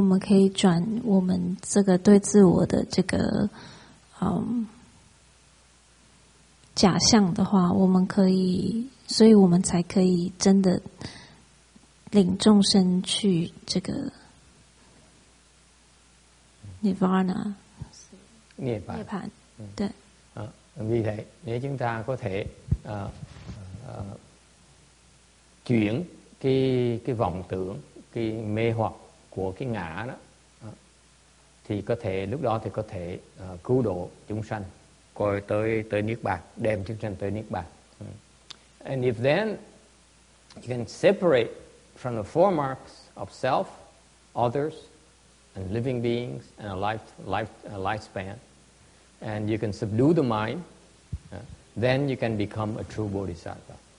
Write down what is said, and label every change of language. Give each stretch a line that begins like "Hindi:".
Chinese: 所以如果我们可以转我们这个对自我的这个 假象的话，我们可以，所以我们才可以真的领众生去这个 nirvana 涅槃，对。啊，
Vietnamese: vì thế nếu chúng ta có thể chuyển cái vọng tưởng, cái mê hoặc của cái ngã đó, thì có thể lúc đó thì có thể cứu độ chúng sanh. Tới Niết Bàn, đem chúng sanh tới Niết Bàn.
English: And if then you can separate from the four marks of self, others, and living beings, and a lifespan, and you can subdue the mind, then you can become a true bodhisattva.